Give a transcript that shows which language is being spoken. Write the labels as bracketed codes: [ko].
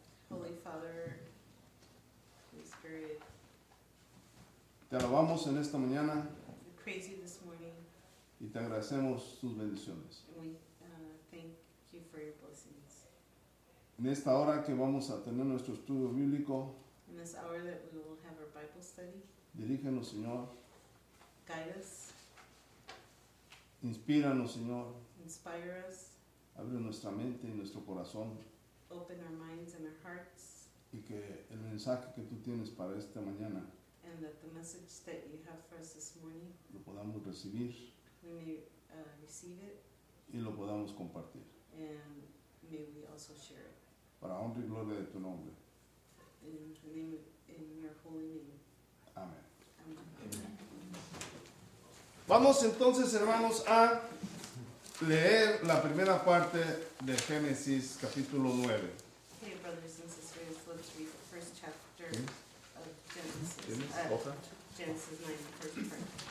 [en] Holy Father, Holy Spirit. [es] Te alabamos en esta mañana. [en] We praise you this morning. [es] Y te agradecemos tus bendiciones. [en] And we thank you for your blessings. [es] En esta hora que vamos a tener nuestro estudio bíblico. [en] In this hour that we will have our Bible study. [es] Dirígenos, Señor. [en] Guide us. [es] Inspíranos, Señor. [en] Inspire us. [es] Abre nuestra mente y nuestro corazón. [en] Open our minds and our hearts. [es] Y que el mensaje que tú tienes para esta mañana. [en] And that the message that you have for us this morning. [es] Lo podamos recibir. [en] We may receive it. [es] y lo podamos compartir. [en] And may we also share it. [es] Para honra y gloria de tu nombre. [en] In your holy name. [es] Amén. Vamos entonces, hermanos, a leer la primera parte de Génesis, capítulo 9. [en] Okay, brothers and sisters, let's read the first chapter of Genesis.